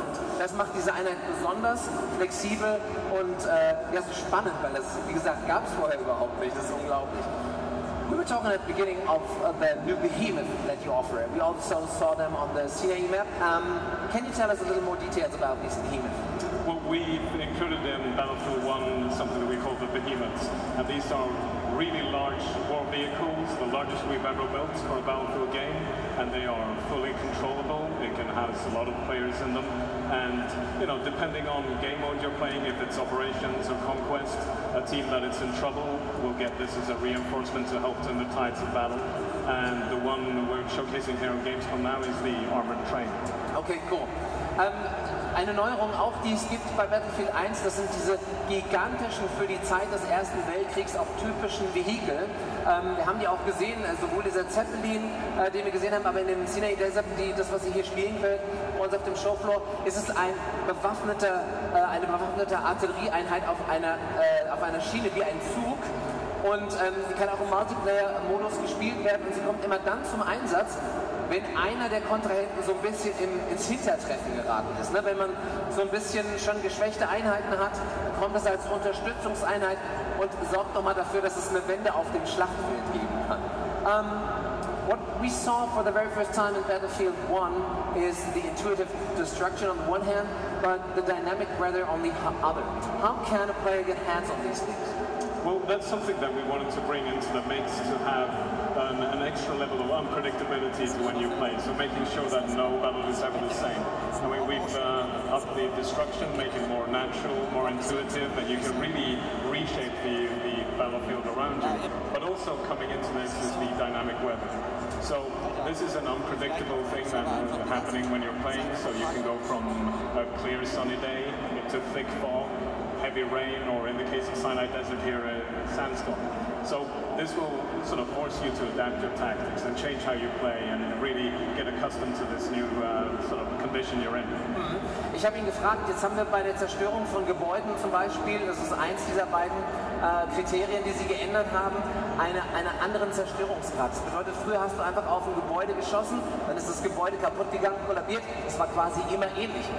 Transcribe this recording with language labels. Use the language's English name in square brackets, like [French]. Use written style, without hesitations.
[German] Und das macht diese Einheit besonders flexibel und ja, so spannend, weil das, wie gesagt, gab es vorher überhaupt nicht. Das ist unglaublich. [English] We were talking at the beginning of the new behemoth that you offer. We also saw them on the CAE map. Can you tell us a little more details about this behemoth? Well, we included in Battlefield 1 something that we call the behemoths. And these are really large war vehicles, the largest we've ever built for a Battlefield game. And they are fully controllable. It can house a lot of players in them. And, you know, depending on game mode you're playing, if it's Operations or Conquest, a team that is in trouble will get this as a reinforcement to help turn the tides of battle. And the one we're showcasing here on Gamescom now is the Armored Train. Okay, cool. [German] Eine Neuerung auch, die es gibt bei Battlefield 1, das sind diese gigantischen, für die Zeit des Ersten Weltkriegs auch typischen Vehikel. Wir haben die auch gesehen, sowohl dieser Zeppelin, den wir gesehen haben, aber in dem Sinai Desert, das, was ihr hier spielen könnt, und auf dem Showfloor, ist es eine bewaffnete Artillerieeinheit auf einer Schiene, wie ein Zug. Und sie kann auch im Multiplayer-Modus gespielt werden und sie kommt immer dann zum Einsatz, wenn einer der Kontrahenten so ein bisschen ins Hintertreffen geraten ist. Ne? Wenn man so ein bisschen schon geschwächte Einheiten hat, kommt es als Unterstützungseinheit und sorgt nochmal dafür, dass es eine Wende auf dem Schlachtfeld geben kann. [English] What we saw for the very first time in Battlefield 1 is the intuitive destruction on the one hand, but the dynamic rather on the other. How can a player get hands on these things? Well, that's something that we wanted to bring into the mix, to have an extra level of unpredictability to when you play, so making sure that no battle is ever the same. I mean, we've upped the destruction, make it more natural, more intuitive, that you can really reshape the battlefield around you. But also coming into this is the dynamic weather. So this is an unpredictable thing that is happening when you're playing, so you can go from a clear sunny day to thick fog, heavy rain, or in the case of Sinai Desert here, sandstorm. So this will sort of force you to adapt your tactics and change how you play and really get accustomed to this new sort of condition you're in. [German] Ich habe ihn gefragt, jetzt haben wir bei der Zerstörung von Gebäuden zum Beispiel, das ist eins dieser beiden Kriterien, die sie geändert haben, eine anderen Zerstörungsgrad. Das bedeutet, früher hast du einfach auf ein Gebäude geschossen, dann ist das Gebäude kaputt gegangen, kollabiert, es war quasi immer ähnlich.